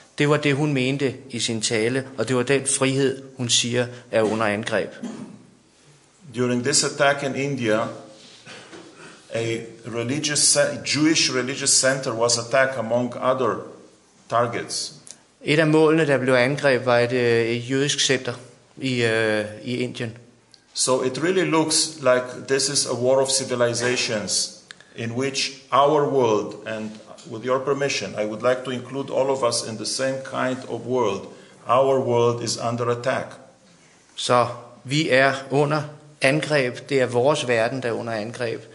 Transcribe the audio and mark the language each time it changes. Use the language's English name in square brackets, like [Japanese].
[Danish] Det var det, hun mente i sin tale, og det var den frihed, hun siger, er under angreb. [English] During this attack in India, a religious Jewish religious center was attacked among other targets. [Danish] Et af målene, der blev angrebet, var et jødisk center i Indien. [English] So it really looks like this is a war of civilizations in which our world, and with your permission, I would like to include all of us in the same kind of world. Our world is under attack. [Danish] Så vi er under angreb. Det er vores verden, der er under angreb.